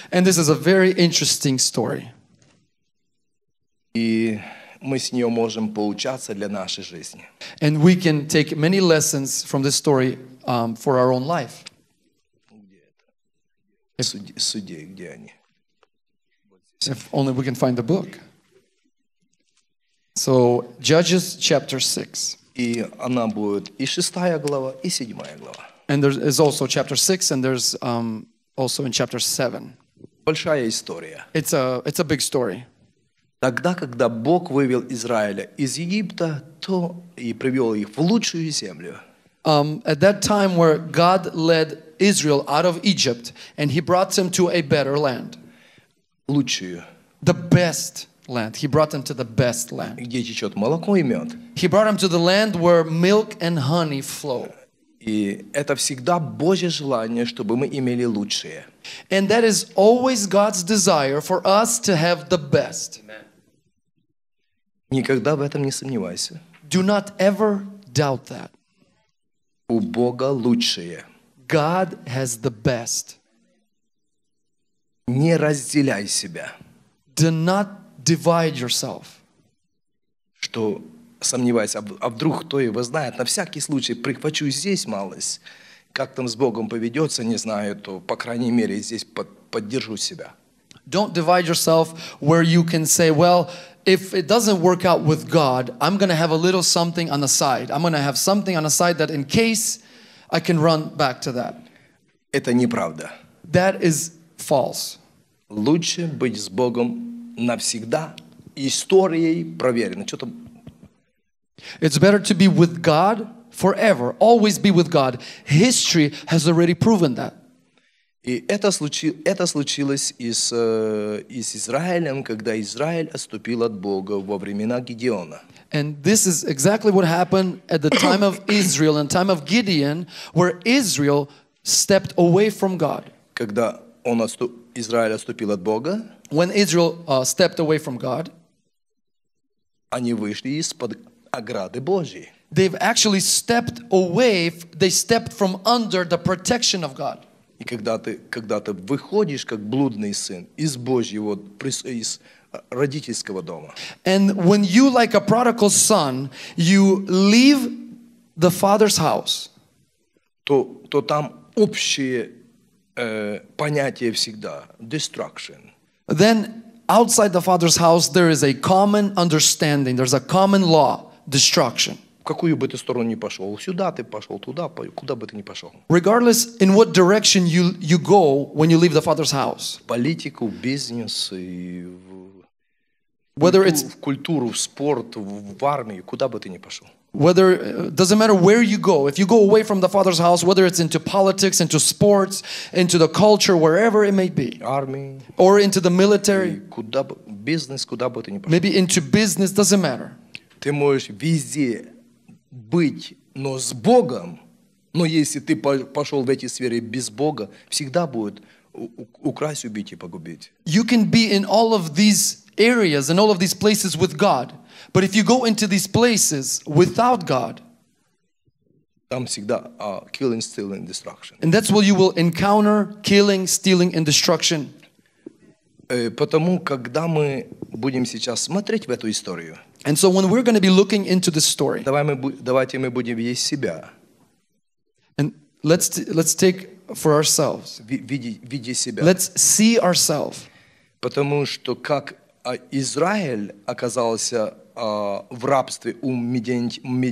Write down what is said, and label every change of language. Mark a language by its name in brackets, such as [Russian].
[English] And this is a very interesting story. [Russian] И мы с нее можем поучаться для нашей жизни. [English] And we can take many lessons from this story for our own life. [Russian] Судей, где они? [English] If only we can find the book. So, Judges chapter 6. [Russian] И она будет и шестая глава, и седьмая глава. [English] And there is also chapter 6, and there's also in chapter 7. [Russian] Большая история. [English] It's a big story. [Russian] Тогда, когда Бог вывел Израиля из Египта, то и привел их в лучшую землю. [English] At that time where God led Israel out of Egypt, and he brought them to a better land. [Russian] Лучшую. [English] The best land. He brought them to the best land. [Russian] Где течет молоко и мед. [English] He brought them to the land where milk and honey flow. [Russian] И это всегда Божье желание, чтобы мы имели лучшее. [English] And that is always God's desire for us to have the best. Amen. [Russian] Никогда в этом не сомневайся. [English] Do not ever doubt that. [Russian] У Бога лучшее. [English] God has the best. [Russian] Не разделяй себя. [English] Do not divide yourself. [Russian] Что сомневайся, а вдруг кто его знает, на всякий случай прихвачу здесь малость, как там с Богом поведется, не знаю, то по крайней мере здесь поддержу себя. [English] Don't divide yourself where you can say, well, if it doesn't work out with God, I'm going to have a little something on the side. I'm going to have something on the side that in case I can run back to that. [Russian] Это неправда. [English] That is false. [Russian] Лучше быть с Богом навсегда. Историей проверено. Что-то... [English] It's better to be with God forever. Always be with God. History has already proven that. [Russian] И это случилось и с Израилем, когда Израиль отступил от Бога во времена Гедеона. [English] And this is exactly what happened at the time of Israel and time of Gideon, where Israel stepped away from God. [Russian] Когда Израиль отступил от Бога, [English] when Israel stepped away from God, [Russian] они вышли из-под ограды Божьей. [English] They've actually stepped away, they stepped from under the protection of God. [Russian] И когда ты выходишь как блудный сын из Божьего, из родительского дома. [English] And when you, like a prodigal son, you leave the father's house, [Russian] то там общее понятие всегда destruction. [English] Then outside the father's house there is a common understanding, there's a common law, destruction. [Russian] Какую бы ты сторону ни пошел, сюда ты пошел, туда, куда бы ты ни пошел. [English] Regardless in what direction you go when you leave the father's house. [Russian] В политику, в бизнес, [English] whether it's [Russian] в культуру, в спорт, в армию, куда бы ты ни пошел. [English] Whether doesn't matter where you go. If you go away from the father's house, whether it's into politics, into sports, into the culture, wherever it may be. [Russian] Армии. [English] Or into the military. [Russian] Куда бы бизнес, куда бы ты ни пошел. [English] Maybe into business, doesn't matter. [Russian] Ты можешь везде быть, но с Богом, но если ты пошел в эти сферы без Бога, всегда будет украсть, убить и погубить. [English] You can be in all of these areas and all of these places with God, but if you go into these places without God, [Russian] там всегда [English] killing, stealing, destruction. And that's what you will encounter, killing, stealing, and destruction. [Russian] Потому, когда мы будем сейчас смотреть в эту историю, [English] and so when we're going to be looking into this story, [Russian] давайте мы будем видеть себя. [English] And let's take for ourselves. [Russian] Види себя. [English] Let's see ourselves. [Russian] Потому что как Израиль оказался в рабстве у медианитян.